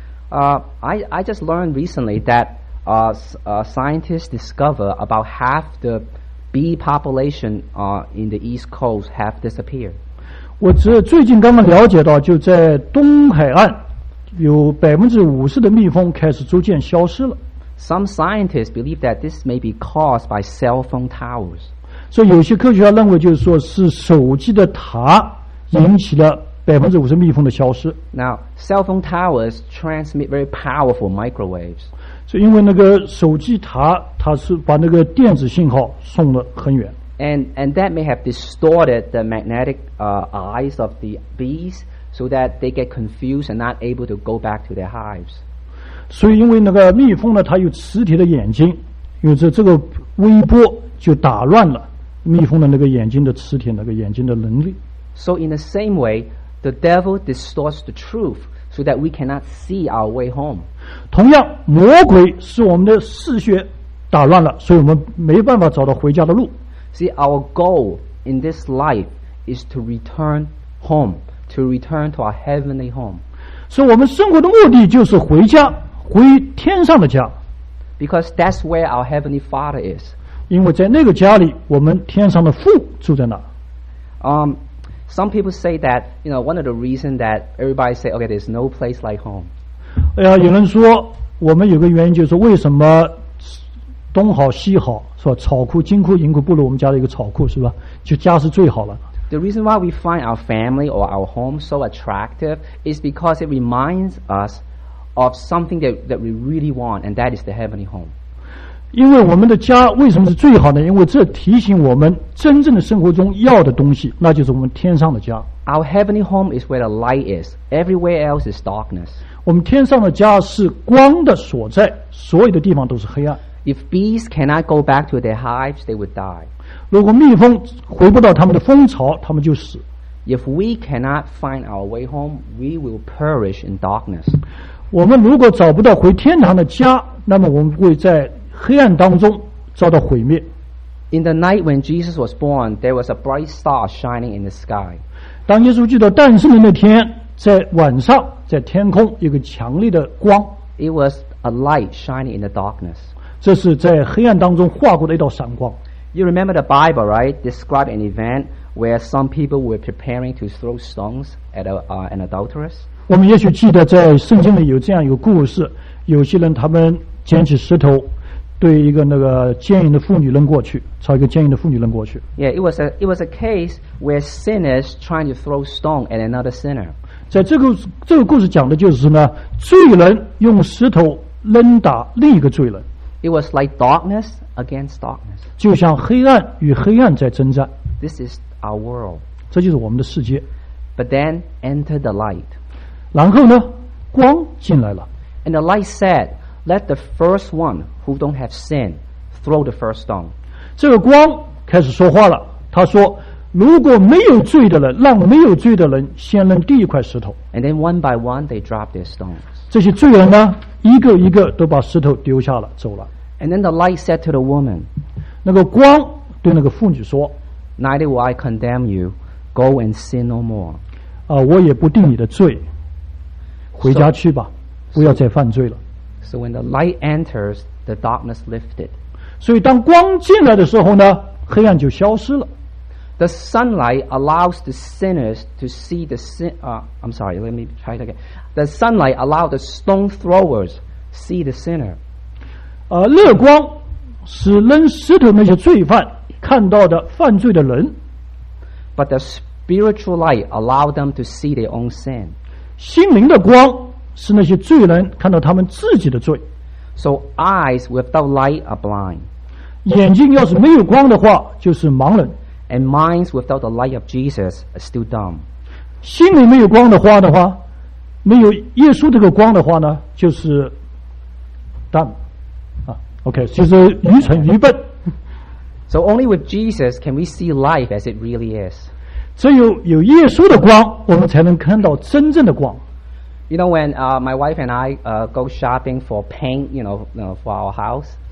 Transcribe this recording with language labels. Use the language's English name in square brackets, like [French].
[English] I just learned recently that scientists discover about half the bee population in the East Coast have disappeared. [Chinese] 我最近刚刚了解到，就在东海岸，有50%的蜜蜂开始逐渐消失了。 [English] Some scientists believe that this may be caused by cell phone towers. [Chinese] 所以有些科学家认为，就是说是手机的塔引起了50%蜜蜂的消失。 [English] Now, cell phone towers transmit very powerful microwaves. [Chinese] 所以因为那个手机塔，它是把那个电子信号送得很远。 [English] And that may have distorted the magnetic eyes of the bees so that they get confused and not able to go back to their hives. [Chinese] 所以因为那个蜜蜂呢，它有磁铁的眼睛，有着这个微波就打乱了蜜蜂的那个眼睛的磁铁，那个眼睛的能力。 [English] So in the same way, the devil distorts the truth so that we cannot see our way home. [Chinese] 同样，魔鬼使我们的视觉打乱了，所以我们没办法找到回家的路。 [English] See, our goal in this life is to return home, to return to our heavenly home. [Chinese] So, 我们生活的目的就是回家，回天上的家。 [English] Because that's where our heavenly Father is. [Chinese] 因为在那个家里，我们天上的父住在那。 [English] Some people say that, you know, one of the reasons that everybody say, okay, there's no place like home. [Chinese] 哎呀，有人说，我们有个原因就是为什么东好西好是吧？草库、金库、银库不如我们家的一个草库是吧？就家是最好了。 [English] The reason why we find our family or our home so attractive is because it reminds us of something that we really want, and that is the heavenly home. [Chinese] 因为我们的家为什么是最好呢？因为这提醒我们真正的生活中要的东西，那就是我们天上的家。 [English] Our heavenly home is where the light is. Everywhere else is darkness. [Chinese] 我们天上的家是光的所在，所有的地方都是黑暗。 [English] If bees cannot go back to their hives, they would die. [Chinese] 如果蜜蜂回不到他们的蜂巢，他们就死。 [English] If we cannot find our way home, we will perish in darkness. [Chinese] 我们如果找不到回天堂的家，那么我们会在黑暗当中遭到毁灭。 [English] In the night when Jesus was born, there was a bright star shining in the sky. [Chinese] 当耶稣基督诞生的那天，在晚上，在天空有个强烈的光。 [English] It was a light shining in the darkness. [Chinese] 这是在黑暗当中划过的一道闪光。 [English] You remember the Bible, right? Describe an event where some people were preparing to throw stones at an adulteress. [Chinese] 我们也许记得在圣经里有这样一个故事，有些人他们捡起石头，对一个那个奸淫的妇女扔过去，朝一个奸淫的妇女扔过去。 [English] Yeah, it was a case where sinners trying to throw stone at another sinner. [Chinese] 在这个故事讲的就是呢，罪人用石头扔打另一个罪人。 [English] It was like darkness against darkness. [Chinese] 就像黑暗与黑暗在征战。 [English] This is our world. [Chinese] 这就是我们的世界。 [English] But then enter the light. [Chinese] 然后呢，光进来了。 [English] And the light said, "Let the first one who don't have sin throw the first stone." [Chinese] 这个光开始说话了。他说，如果没有罪的人，让没有罪的人先扔第一块石头。 [English] And then one by one they dropped their stones. [Chinese] 这些罪人呢，一个一个都把石头丢下了，走了。 [English] And then the light said to the woman, [Chinese] 那个光对那个妇女说 [English] ，Neither will I condemn you, go and sin no more. [Chinese] 我也不定你的罪，回家去吧，不要再犯罪了。 [English] So when the light enters, the darkness lifted. [Chinese] 所以当光进来的时候呢，黑暗就消失了。 [English] The sunlight allows the sinners to see the sin. I'm sorry. Let me try it again. The sunlight allowed the stone throwers see the sinner. [Chinese] 乐光使扔石头那些罪犯看到的犯罪的人。 [English] But the spiritual light allowed them to see their own sin. [Chinese] 心灵的光是那些罪人看到他们自己的罪。 [English] So eyes without light are blind. [Chinese] 眼睛要是没有光的话，就是盲人。 [English] And minds without the light of Jesus are still dumb. [Chinese] 心里没有光的话的话，没有耶稣这个光的话呢，就是 [English] dumb. [Chinese] Okay, 就是愚蠢愚笨。 [English] So only with Jesus can we see life as it really is. [Chinese] 只有有耶稣的光，我们才能看到真正的光。 [English] You know when my wife and I go shopping for paint, you know, for our house.